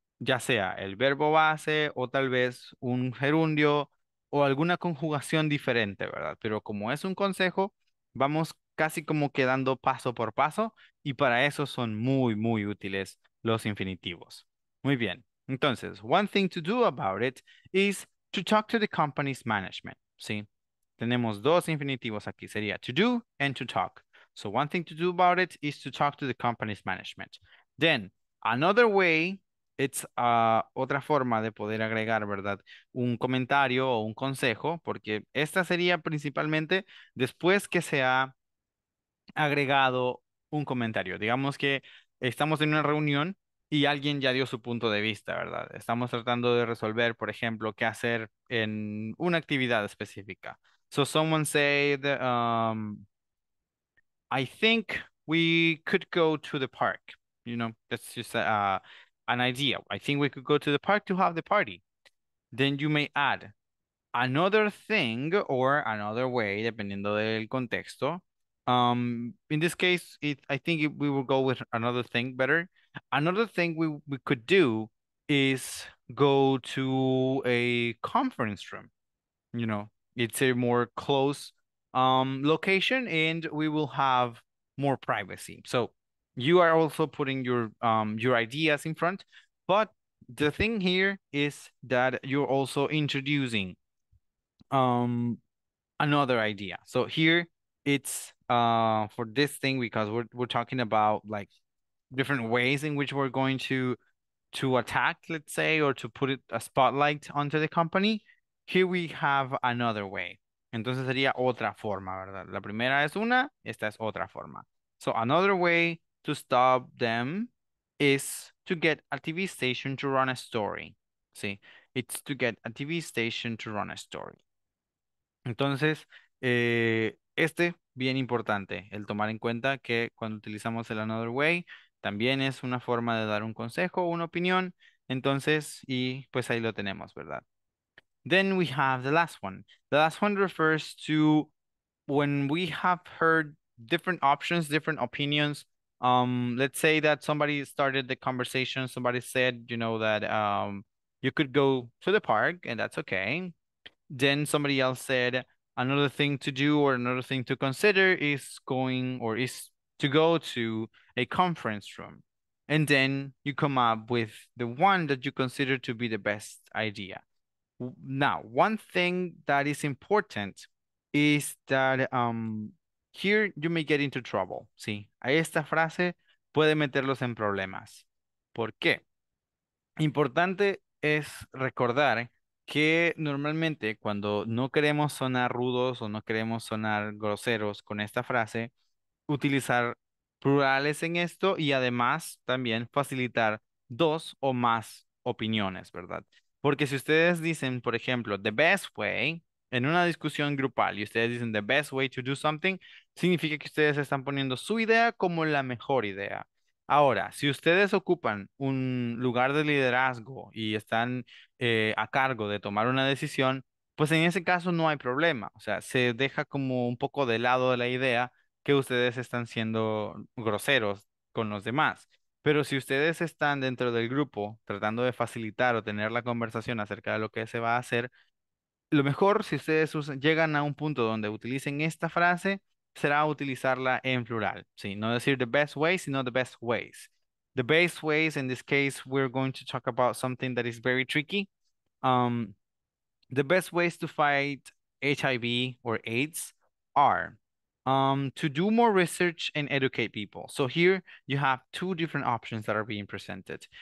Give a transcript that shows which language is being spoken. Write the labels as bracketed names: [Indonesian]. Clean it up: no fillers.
[Spanish] ya sea el verbo base o tal vez un gerundio o alguna conjugación diferente, ¿verdad? Pero como es un consejo, vamos casi como quedando paso por paso y para eso son muy, muy útiles los infinitivos. Muy bien. [English] Entonces, one thing to do about it is to talk to the company's management, ¿sí? [Spanish] Tenemos dos infinitivos aquí, sería [English] to do and to talk. So one thing to do about it is to talk to the company's management. Then, another way, it's [Spanish] otra forma de poder agregar, ¿verdad? Un comentario o un consejo, porque esta sería principalmente después que se ha agregado un comentario. Digamos que estamos en una reunión y alguien ya dio su punto de vista, ¿verdad? Estamos tratando de resolver, por ejemplo, qué hacer en una actividad específica. [English] So someone said, I think we could go to the park. You know, that's just an idea. I think we could go to the park to have the party. Then you may add another thing or another way, [Spanish] dependiendo del contexto. [English] In this case, we will go with another thing better. Another thing we could do is go to a conference room, you know. It's a more close location and we will have more privacy. So you are also putting your ideas in front. But the thing here is that you're also introducing another idea. So here it's for this thing, because we're talking about like different ways in which we're going to attack, let's say, or to put it, a spotlight onto the company. Here we have another way. [Spanish] Entonces sería otra forma, ¿verdad? La primera es una, esta es otra forma. [English] So another way to stop them is to get a TV station to run a story. ¿Sí? It's to get a TV station to run a story. [Spanish] Entonces, este, bien importante, el tomar en cuenta que cuando utilizamos el another way, también es una forma de dar un consejo o una opinión. Entonces, y pues ahí lo tenemos, ¿verdad? [English] Then we have the last one. The last one refers to when we have heard different options, different opinions. Let's say that somebody started the conversation. Somebody said, you know, that you could go to the park and that's okay. Then somebody else said another thing to do or another thing to consider is going or is to go to a conference room. And then you come up with the one that you consider to be the best idea. Now, one thing that is important is that here you may get into trouble, ¿sí? [Spanish] A esta frase puede meterlos en problemas. ¿Por qué? Importante es recordar que normalmente cuando no queremos sonar rudos o no queremos sonar groseros con esta frase, utilizar plurales en esto y además también facilitar dos o más opiniones, ¿verdad? Porque si ustedes dicen, por ejemplo, the best way, en una discusión grupal, y ustedes dicen [English] the best way to do something, [Spanish] significa que ustedes están poniendo su idea como la mejor idea. Ahora, si ustedes ocupan un lugar de liderazgo y están a cargo de tomar una decisión, pues en ese caso no hay problema. O sea, se deja como un poco de lado de la idea que ustedes están siendo groseros con los demás. Pero si ustedes están dentro del grupo tratando de facilitar o tener la conversación acerca de lo que se va a hacer, lo mejor, si ustedes llegan a un punto donde utilicen esta frase, será utilizarla en plural. ¿Sí? No decir the best way, sino [English] the best ways. The best ways, in this case, we're going to talk about something that is very tricky. The best ways to fight HIV or AIDS are... to do more research and educate people. So here you have two different options that are being presented.